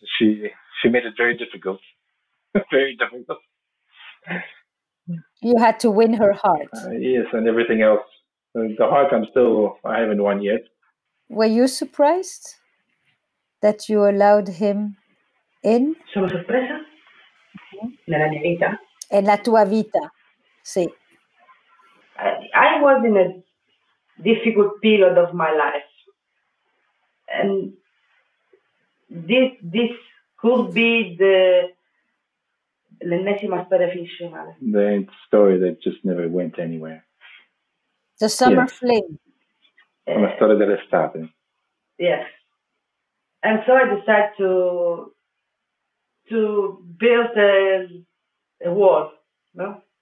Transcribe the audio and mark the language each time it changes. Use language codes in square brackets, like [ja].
[en] She made it very difficult. Very difficult. You had to win her heart. Yes, and everything else. The heart I haven't won yet. Were you surprised that you allowed him in? [it] Sono sorpresa nella mia vita. En la tua vita, sì. [en] I was in a difficult period of my life. And this could be the [it] l'ennesima storia finisce male. [en] The story that just never went anywhere. The summer flame. [it] Una storia dell'estate. [en] Yes. And so I decided to build a wall. No?